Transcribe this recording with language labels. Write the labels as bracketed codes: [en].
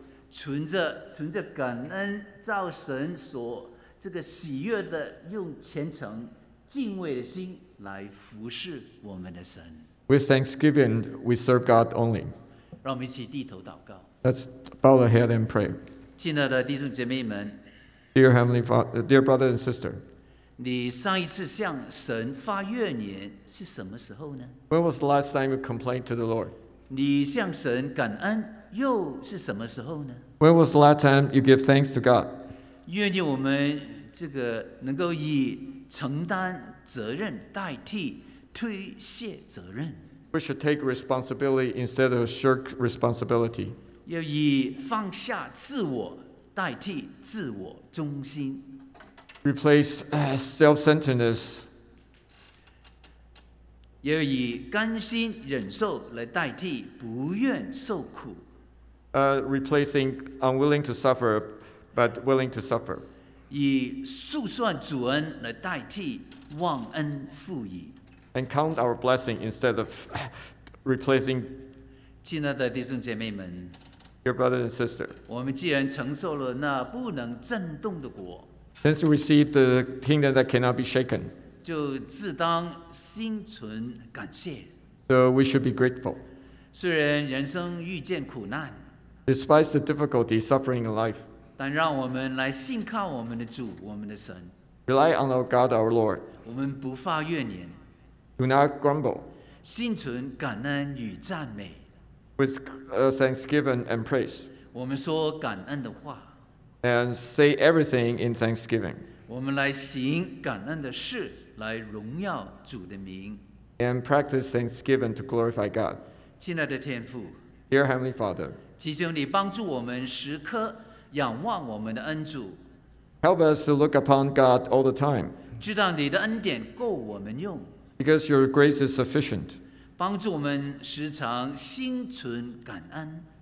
[zh] 存着感恩造神所这个喜悦的用虔诚敬畏的心来服侍我们的神。 [en] With thanksgiving, we serve God only. [zh] 让我们一起低头祷告。 [en] Let's bow our head and pray. [zh] 亲爱的弟兄姐妹们。 [en] Dear Heavenly Father, dear brother and sister, [zh] 你上一次向神发怨言是什么时候呢？ [en] When was the last time you complained to the Lord? [zh] 你向神感恩又是什么时候呢？ [en] When was the last time you give thanks to God? [zh] 愿意我们这个能够以承担责任代替推卸责任。 [en] We should take responsibility instead of shirk responsibility. [zh] 要以放下自我代替自我中心 [en] ，replace self-centeredness， [zh] 要以甘心忍受来代替不愿受苦。 [en] Replacing unwilling to suffer but willing to suffer， [zh] 以数算主恩来代替忘恩负义。 [en] And count our blessing instead of replacing。 [zh] 亲爱的弟兄姐妹们。 [en] Dear brother and sister, [zh] 我们既然承受了那不能震动的国 [en] ，since we received the kingdom that cannot be shaken， [zh] 就自当心存感谢。 [en] So we should be grateful. [zh] 虽然人生遇见苦难 [en] ，despite the difficulty suffering in life， [zh] 但让我们来信靠我们的主，我们的神。 [en] Rely on our God, our Lord. [zh] 我们不发怨言 [en] ，do not grumble. [zh] 心存感恩与赞美。 [en] With thanksgiving and praise. [zh] 我们说感恩的话。 [en] And say everything in thanksgiving. [zh] 我们来行感恩的事，来荣耀主的名。 [en] And practice thanksgiving to glorify God. [zh] 亲爱的天父。 [en] Dear Heavenly Father. [zh] 祈求你帮助我们时刻仰望我们的恩主。 [en] Help us to look upon God all the time. [zh] 知道你的恩典够我们用。 [en] Because your grace is sufficient. [zh] 帮助我们时常心存感恩